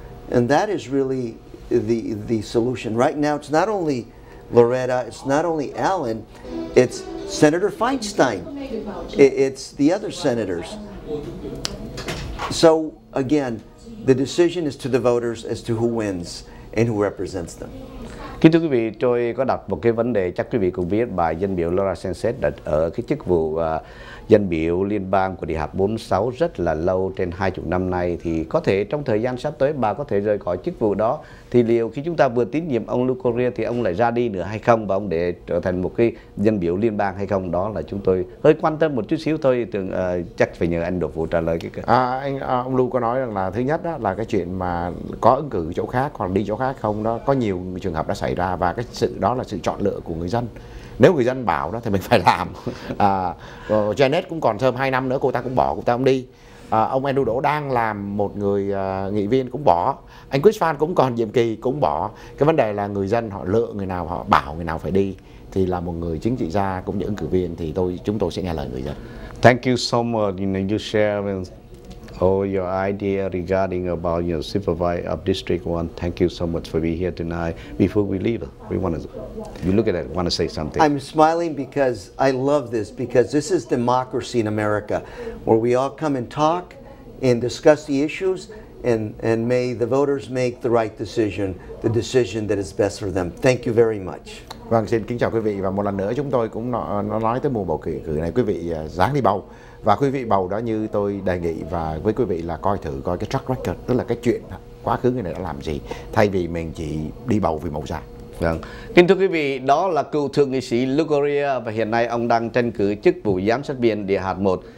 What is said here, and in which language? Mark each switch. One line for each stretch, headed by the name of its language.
English: And that is really the solution. Right now, it's not only Loretta, it's not only Allen, it's Senator Feinstein. It's the other senators. So again, the decision is to the voters as to who wins and who represents them.
Vietnamese: Kính thưa quý vị, tôi có đặt một cái vấn đề, chắc quý vị cũng biết bài dân biểu Laura Sanchez đặt ở cái chức vụ dân biểu liên bang của địa hạt 46 rất là lâu, trên 20 năm nay, thì có thể trong thời gian sắp tới bà có thể rời khỏi chức vụ đó. Thì liệu khi chúng ta vừa tín nhiệm ông Lou Correa thì ông lại ra đi nữa hay không, và ông để trở thành một cái dân biểu liên bang hay không? Đó là chúng tôi hơi quan tâm một chút xíu thôi, tưởng, chắc phải nhờ anh Đỗ Phụ trả lời. Ông Lou có nói rằng là thứ nhất đó là cái chuyện mà có ứng cử chỗ khác hoặc đi chỗ khác không, đó có nhiều trường hợp đã xảy ra, và cái sự đó là sự chọn lựa của người dân. Nếu người dân bảo đó thì mình phải làm. Janet cũng còn thêm 2 năm nữa, cô ta cũng bỏ, cô ta cũng đi. Ông Andrew Đỗ đang làm một người nghị viên cũng bỏ. Anh Chris Phan cũng còn nhiệm kỳ cũng bỏ. Cái vấn đề là người dân họ lựa người nào, họ bảo người nào phải đi. Thì là một người chính trị gia cũng như ứng cử viên thì chúng tôi sẽ nghe lời người dân.
English: Thank you so much, you share Oh, your idea regarding about your supervisor of District 1, thank you so much for being here tonight. Before we leave, we want to, you look at it, want to say something. I'm smiling because I love this, because this is democracy in America, where we all come and talk and discuss the issues, and may the voters make the right decision, the decision that is best for them. Thank you very much.
Vietnamese: Vâng, xin kính chào quý vị, và một lần nữa chúng tôi cũng nói tới mùa bầu cử này, quý vị ráng đi bầu. Và quý vị bầu đó, như tôi đề nghị và với quý vị là coi thử coi cái track record, tức là cái chuyện quá khứ người này đã làm gì, thay vì mình chỉ đi bầu vì màu da. Vâng. Kính thưa quý vị, đó là cựu thượng nghị sĩ Lugoria, và hiện nay ông đang tranh cử chức vụ giám sát viên địa hạt 1.